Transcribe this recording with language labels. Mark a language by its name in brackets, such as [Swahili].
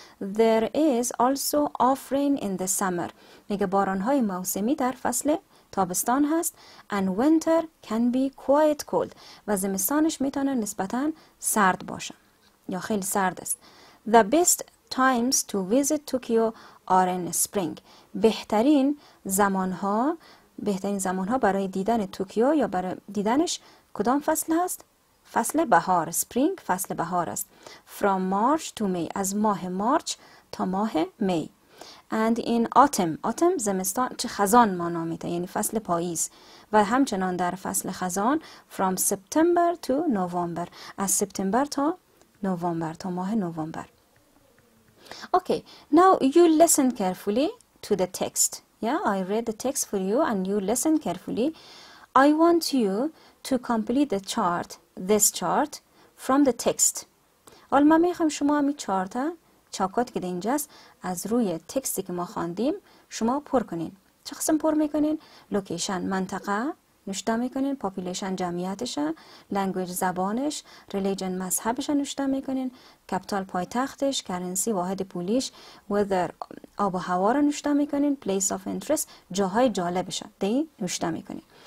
[English] There is also often rain in the summer. [Persian] میگه بارانهای موسمی در فصل تابستان هست. [English] And winter can be quite cold. [Persian] و زمستانش میتونه نسبتاً سرد باشه. یا خیلی سرد است. [English] The best times to visit Tokyo are in spring. [Persian] بهترین زمانها برای دیدن توکیو یا برای دیدنش کدام فصل است؟ فصل بهار. [English] Spring [Persian] فصل بهار است. [English] From March to May. [Persian] از ماه مارچ تا ماه می. [English] And in autumn. [Persian] Autumn زمستان چه خزان ما نامیده. یعنی فصل پاییز. و همچنان در فصل خزان. [English] From September to November. [Persian] از سپتامبر تا نوامبر تا ماه نوامبر. [English] Okay, now you listen carefully to the text. Yeah, I read the text for you and you listen carefully. I want you to complete the chart, this chart, from the text. [Persian] حالا من میخوام شما همی چاکات که در اینجاست از روی تکستی که ما خواندیم شما پر کنین. چه قسم پر میکنین؟ Location, منطقه. نوشته میکنین پاپولیشن جمعیتش لنگویج زبانش ریلیجن مذهبش نوشته میکنین کپیتال پایتختش کرنسی واحد پولیش وذر آب و هوا را نوشته میکنین پلیس آف انترست جاهای جالبش دی نوشته میکنین